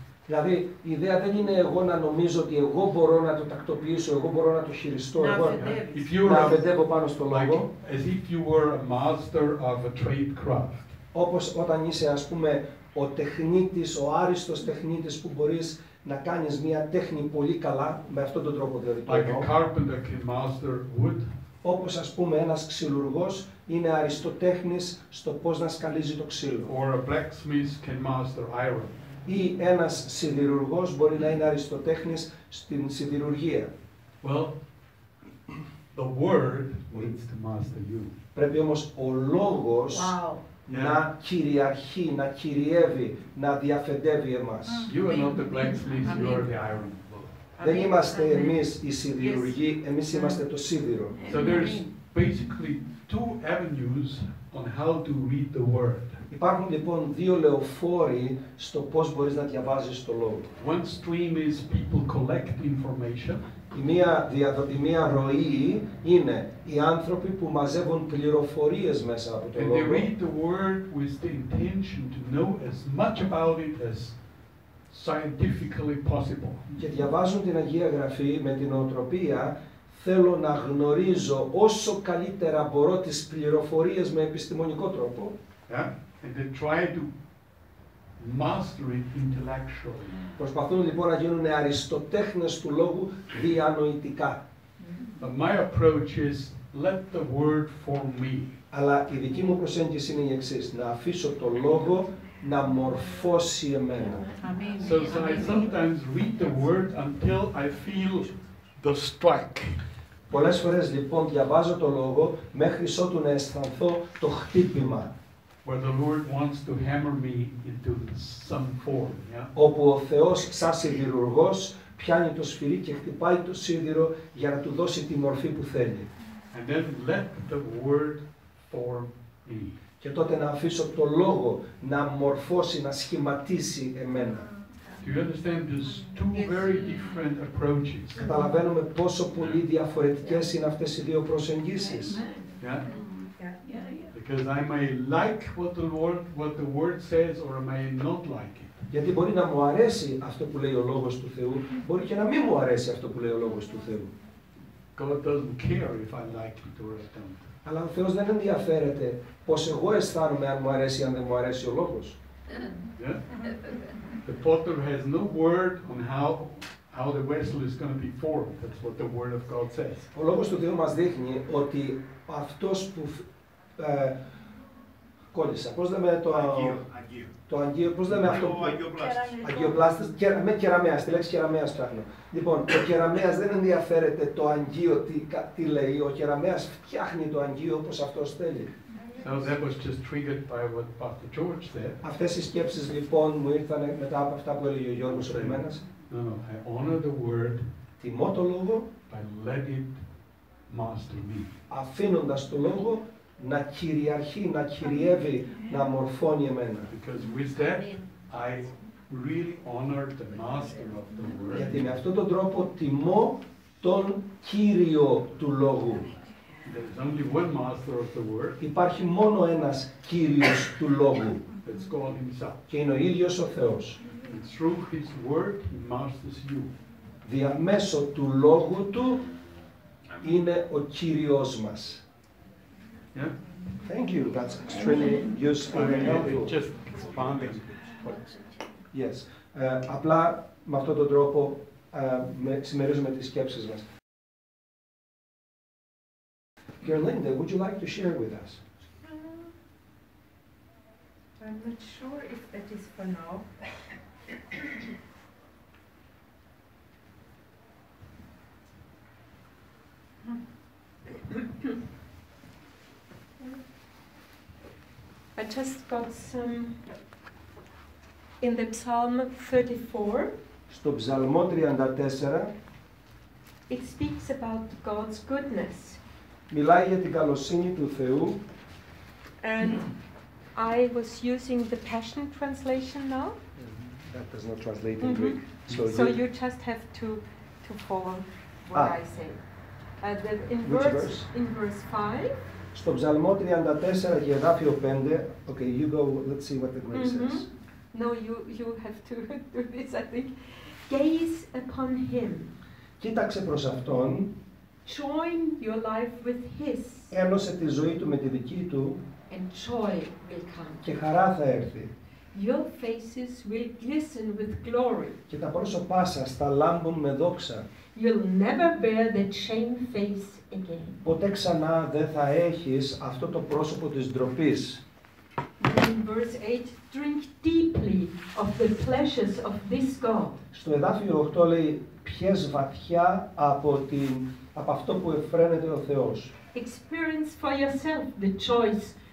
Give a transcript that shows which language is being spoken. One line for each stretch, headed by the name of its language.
Greek: Δηλαδή, η ιδέα δεν είναι εγώ να νομίζω ότι εγώ μπορώ να το τακτοποιήσω, εγώ μπορώ να το χειριστώ, εγώ να αφεντεύω πάνω στο λόγο.
English: As if you were a master of a trade craft.
Greek: Όπως όταν είσαι, ας πούμε, ο τεχνίτης, ο άριστος τεχνίτης που μπορείς να κάνεις μια τέχνη πολύ καλά, με αυτόν τον τρόπο δηλαδή.
English: Like a carpenter can master wood.
Greek: Όπως, ας πούμε, ένας ξυλουργός είναι αριστοτέχνης στο πώς να σκαλίζει το ξύλο.
English: Or a blacksmith can master iron.
Greek: Ή ένας σιδηρουργός μπορεί να είναι αριστοτέχνης στην σιδηρουργία.
English: Well, the word needs to master you.
Greek: Πρέπει όμως ο λόγος wow. να κυριαρχεί, να κυριεύει, να διαφεντεύει εμάς.
English: You are not the blacksmith, you are the iron.
Greek: Δεν είμαστε εμείς οι σιδηρουργοί, εμείς είμαστε το σίδηρο.
English: So there's basically two avenues on how to read the word.
Greek: Υπάρχουν λοιπόν δύο λεωφόροι στο πώς μπορείς να διαβάζεις το λόγο.
English: One stream is people collect information.
Greek: Η μία ροή είναι οι άνθρωποι που μαζεύουν πληροφορίες μέσα από το
English: And
Greek: λόγο.
English: They read the word with the intention to know as much about it as scientifically possible.
Greek: Και διαβάζουν την Αγία Γραφή με την νοοτροπία. Θέλω να γνωρίζω όσο καλύτερα μπορώ τις πληροφορίες με επιστημονικό τρόπο. Yeah.
English: And they try to master it intellectually.
Greek: Προσπαθούν λοιπόν να γίνουν αριστοτέχνες του λόγου διανοητικά.
English: But my approach is let the word form me.
Greek: Αλλά η δική μου προσέγγιση είναι η εξής, να αφήσω το λόγο να μορφώσει εμένα.
English: So I sometimes read the word until I feel the strike.
Greek: Πολλές φορές λοιπόν διαβάζω το λόγο μέχρι ότου να αισθανθώ το χτύπημα.
English: Where the Lord wants to hammer me into some form, yeah?
Greek: Όπου ο Θεός σαν σιδηρουργός πιάνει το σφυρί και χτυπάει το σίδηρο για να του δώσει τη μορφή που θέλει.
English: And then let the word form me.
Greek: Και τότε να αφήσω το λόγο να μορφώσει, να σχηματίσει εμένα.
English: Do you understand these two very different approaches?
Greek: Καταλαβαίνουμε πόσο πολύ διαφορετικές είναι αυτές οι δύο προσεγγίσεις.
English: Because I may like what the word says, or I may not like it.
Greek: Γιατί μπορεί να μου αρέσει αυτό που λέει ο λόγος του Θεού, μπορεί και να μην μου αρέσει αυτό που λέει ο λόγος του Θεού.
English: God doesn't care if I like it or I don't.
Greek: Αλλά ο Θεός δεν ενδιαφέρεται πως εγώ αισθάνομαι αν μου αρέσει ή αν δεν μου αρέσει ο λόγος.
English: The potter has no word on how the vessel is going to be formed. That's what the word of God says.
Greek: Ο λόγος του Θεού μας δείχνει ότι αυτός που κόλλησα. Πώς λέμε το αγγείο. Πώς λέμε αυτό. Αγγειοπλάστης. Με κεραμέα. Στη λέξη κεραμέα φτιάχνω. Λοιπόν, ο κεραμέας δεν ενδιαφέρεται το αγγείο τι λέει. Ο κεραμέας φτιάχνει το αγγείο όπως αυτός θέλει.
English: So that was just triggered by what Pastor George said.
Greek: Αυτές οι σκέψεις λοιπόν μου ήρθαν μετά από αυτά που έλεγε ο Γιώργος προηγουμένως.
English: I honor the word.
Greek: Τιμώ το λόγο.
English: I let it master me.
Greek: Αφήνοντας το λόγο να κυριαρχεί, να κυριεύει, να μορφώνει εμένα.
English: Because with that, I really honor the master of the word.
Greek: Γιατί με αυτόν τον τρόπο τιμώ τον Κύριο του Λόγου.
English: There's only one master of the word.
Greek: Υπάρχει μόνο ένας Κύριος του Λόγου.
English: It's God himself.
Greek: Και είναι ο ίδιος ο Θεός.
English: And through his word, he masters you.
Greek: Διαμέσω του Λόγου του είναι ο Κύριος μας. Yeah.
English: Thank you. That's extremely useful. Just expanding. Yes.
Greek: Απλά με αυτόν τον τρόπο συμμερίζουμε τις σκέψεις μας.
English: Gerlinde, would you like to share with us? I'm not sure if that is for now. I just got some in the Psalm 34.
Greek: Στο Ψαλμό 34.
English: It speaks about God's goodness.
Greek: Μιλάει για την καλοσύνη του Θεού.
English: And I was using the Passion Translation now. That does not translate in Greek. So you just have to follow what I say. In verse 5.
Greek: Στο Ψαλμό 34, εδάφιο 5.
English: Okay, you go, let's see what the Greek says. No, you have to do this, I think. Gaze upon him.
Greek: Κοίταξε προς αυτόν.
English: Join your life with his.
Greek: Ένωσε τη ζωή του με τη δική του.
English: And joy will come.
Greek: Και χαρά θα έρθει.
English: Your faces will glisten with glory.
Greek: Και τα πρόσωπά σας θα λάμπουν με δόξα.
English: You'll never bear the shame face again.
Greek: Ποτέ ξανά δεν θα έχεις αυτό το πρόσωπο της ντροπής.
English: In verse 8, drink deeply of the pleasures of this God.
Greek: Στο εδάφιο 8 λέει, πιες βαθιά από αυτό που εφραίνεται ο Θεός.
English: Experience for yourself the choice.